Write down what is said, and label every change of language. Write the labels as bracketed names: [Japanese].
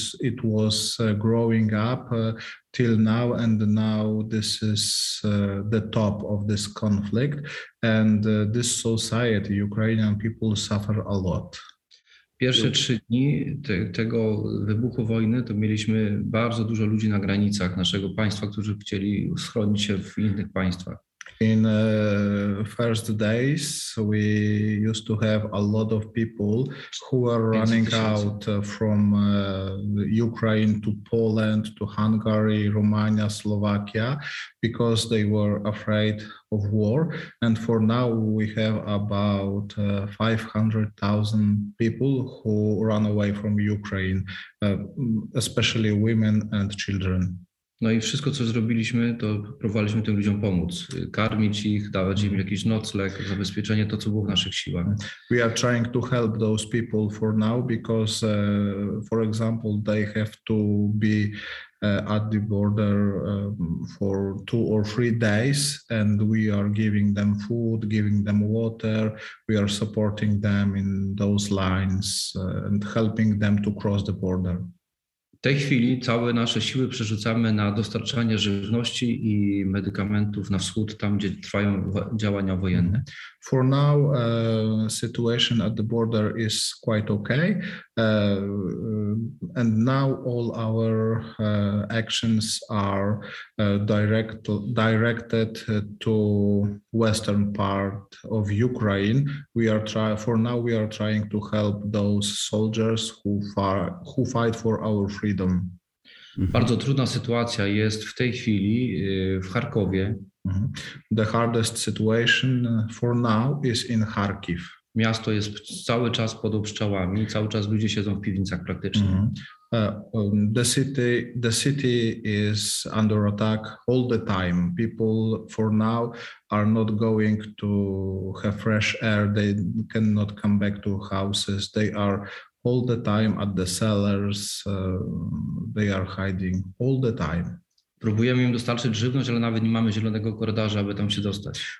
[English] It was growing up till now, and now this is the top of this conflict, and this society, Ukrainian people, suffer a lot. [Polish] Pierwsze trzy dni tego wybuchu wojny to mieliśmy bardzo dużo ludzi na granicach naszego państwa, którzy chcieli schronić się w innych państwach. [English] In first days we used to have a lot of people who were running out from Ukraine to Poland, to Hungary, Romania, Slovakia, because they were afraid of war. And for now we have about 500,000 people who run away from Ukraine, especially women and children. [Polish] No i wszystko, co zrobiliśmy, to próbowaliśmy tym ludziom pomóc, karmić ich, dawać im jakiś nocleg, zabezpieczenie, to, co było w naszych siłach. [English] We are trying to help those people for now, because, for example, they have to be at the border for 2 or 3 days, and we are giving them food, giving them water, we are supporting them in those lines and helping them to cross the border. [Polish] W tej chwili całe nasze siły przerzucamy na dostarczanie żywności i medykamentów na wschód, tam gdzie trwają działania wojenne. [English] For now, situation at the border is quite okay. And now all our actions are directed to western part of Ukraine. We are trying to help those soldiers who fight for our freedom. [Polish] Bardzo trudna sytuacja jest w tej chwili w Charkowie. [English] The hardest situation for now is in Kharkiv. [Polish] Miasto jest cały czas pod obstrzałami, cały czas ludzie siedzą w piwnicach praktycznie. Mm-hmm. [English] The city is under attack all the time. People for now are not going to have fresh air. They cannot come back to houses. They are all the time at the cellars. They are hiding all the time. [Polish] Próbujemy im dostarczyć żywność, ale nawet nie mamy zielonego korytarza, aby tam się dostać.